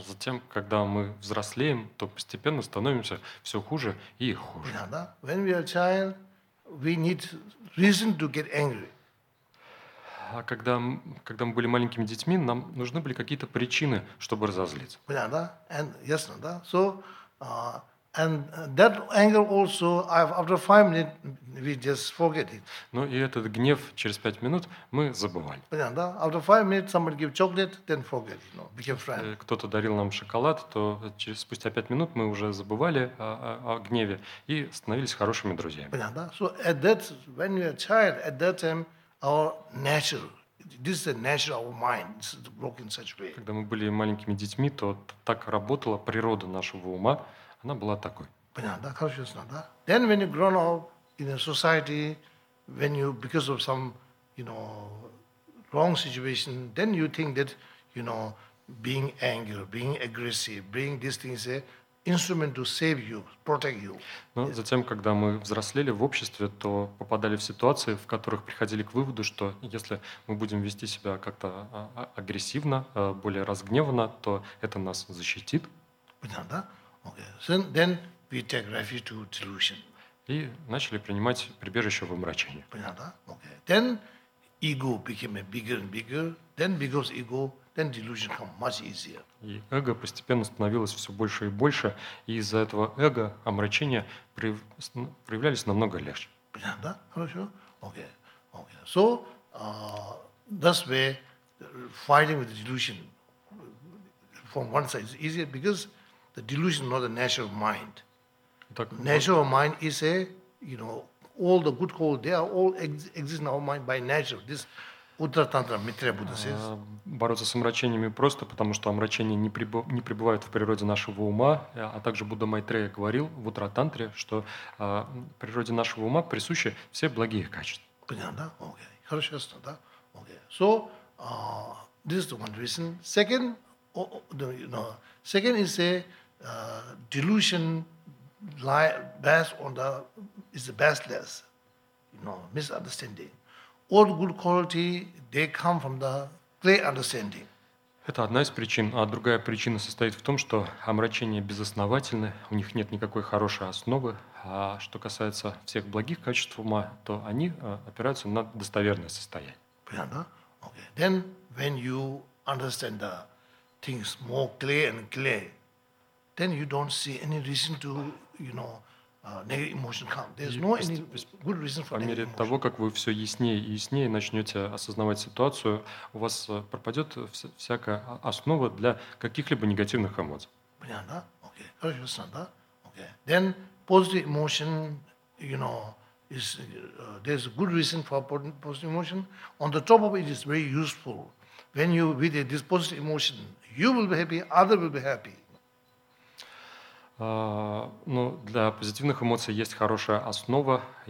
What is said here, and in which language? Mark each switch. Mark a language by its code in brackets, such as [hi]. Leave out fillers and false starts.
[ru] А затем, когда мы взрослеем, то постепенно становимся все хуже и хуже. Понятно, да? [en] When we are a child, we need reason to get angry. [ru] А когда мы были маленькими детьми, нам нужны были какие-то причины, чтобы разозлиться. Понятно, да? And ясно, да? [en] So, and that anger also, after 5 minutes, we just forget it. [ru] Ну и этот гнев через 5 минут мы забывали. Понятно, да? [en] After 5 minutes, somebody give chocolate, then forget, you know, become friend. [ru] Кто-то дарил нам шоколад, то спустя 5 минут мы уже забывали о гневе и становились хорошими друзьями. Понятно, да? [en] So at that, when we are child, at that time, our nature. This is the nature of our mind. It's broken such way. [ru] Когда мы были маленькими детьми, то так работала природа нашего ума. Она была такой. Понятно, да? Конечно, да? [en] Then when you grown up in a society, when you because of some, you know, wrong situation, then you think that, you know, being angry, being aggressive, being these things. Instrument to save you, protect you. [ru] Но затем, когда мы взрослели в обществе, то попадали в ситуации, в которых приходили к выводу, что если мы будем вести себя как-то агрессивно, более разгневанно, то это нас защитит. Понятно, да? [en] Okay. So then we take refuge to delusion. [ru] И начали принимать прибежище в омрачении. Понятно, да? [en] Okay. Then ego became bigger and bigger. Then because ego, then delusion come much easier. [ru] И эго постепенно становилось все больше и больше, и из-за этого эго омрачения проявлялись намного легче. Понятно, да? Хорошо. [en] Okay. Okay. So, that's where fighting with the delusion from one side is easier because the delusion is not the natural mind. Так, natural mind is a, you know, all the good qualities, they are all exist in our mind by nature. This Утра-тантра, Митрия Будда says. [ru] Бороться с омрачениями просто, потому что омрачения не пребывают в природе нашего ума. А также Будда Майтрея говорил в Утра-тантре, что в природе нашего ума присущи все благие качества. Понятно, да? Окей. Хорошо, ясно, да? Окей. [en] So, this is the one reason. Second, second is a delusion lie based on the, is the baseless, you know, misunderstanding. All good quality, they come from the clear understanding. [ru] Это одна из причин, а другая причина состоит в том, что омрачения безосновательны, у них нет никакой хорошей основы. А что касается всех благих качеств ума, то они опираются на достоверное состояние. Понятно? [en] Okay. Then when you understand the things more clear and clear, then you don't see any reason to, you know, negative emotion come. There's no any good reason for negative emotion. [ru] По мере того, как вы все яснее и яснее начнете осознавать ситуацию, у вас пропадет всякая основа для каких-либо негативных эмоций. Понятно, да? Окей. Хорошо, ясно, да? Окей. [en] Then positive emotion, you know, is there's a good reason for positive emotion. On the top of it is very useful. When you with this positive emotion, you will be happy, other will be happy. [ru] Ну, для позитивных эмоций есть хорошая основа.